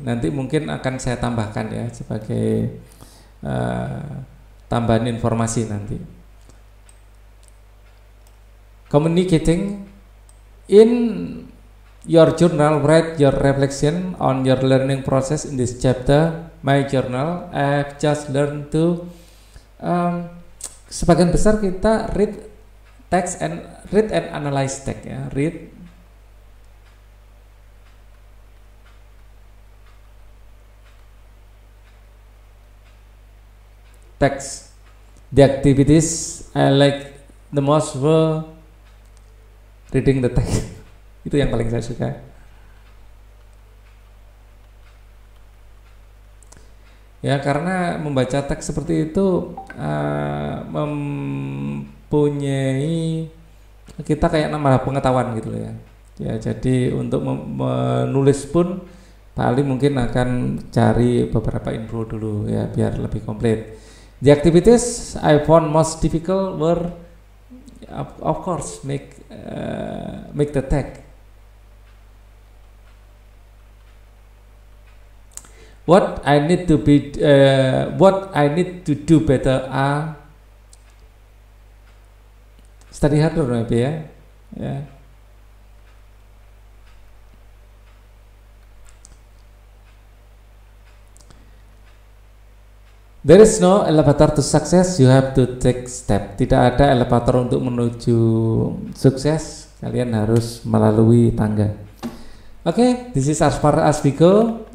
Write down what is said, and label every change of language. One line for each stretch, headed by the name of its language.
Indonesian: Nanti mungkin akan saya tambahkan ya sebagai tambahan informasi nanti.
English: Communicating in your journal, write your reflection on your learning process in this chapter. My journal, I've just learned to.
Indonesian: Sebagian besar kita
English: read and analyze text ya. Read text. The activities I like the most were reading the text.
Indonesian: Itu yang paling saya suka. Ya, karena membaca teks seperti itu mempunyai kita kayak nambah pengetahuan gitu ya. Ya, jadi untuk menulis pun paling mungkin akan cari beberapa info dulu ya biar lebih komplit.
English: The activities I found most difficult were of course make the text. What I need to do better are study harder maybe ya. Yeah. There is no elevator to success. You have to take step.
Indonesian: Tidak ada elevator untuk menuju sukses. Kalian harus melalui tangga.
English: Okay, this is as far as we go.